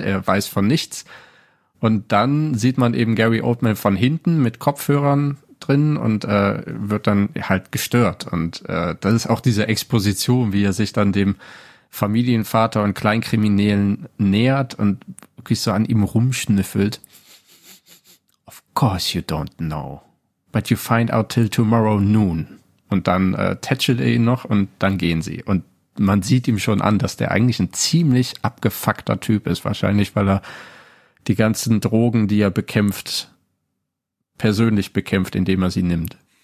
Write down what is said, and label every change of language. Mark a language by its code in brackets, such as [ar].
[de] Er weiß von nichts. Und dann sieht man eben Gary Oldman von hinten mit Kopfhörern drin und wird dann halt gestört. Und das ist auch diese Exposition, wie er sich dann dem Familienvater und Kleinkriminellen nähert und wirklich so an ihm rumschnüffelt. [en] Of course you don't know, but you find out till tomorrow noon. [de] Und dann tätschelt er ihn noch und dann gehen sie. Und man sieht ihm schon an, dass der eigentlich ein ziemlich abgefuckter Typ ist. Wahrscheinlich, weil er die ganzen Drogen, die er bekämpft, persönlich bekämpft, indem er sie nimmt.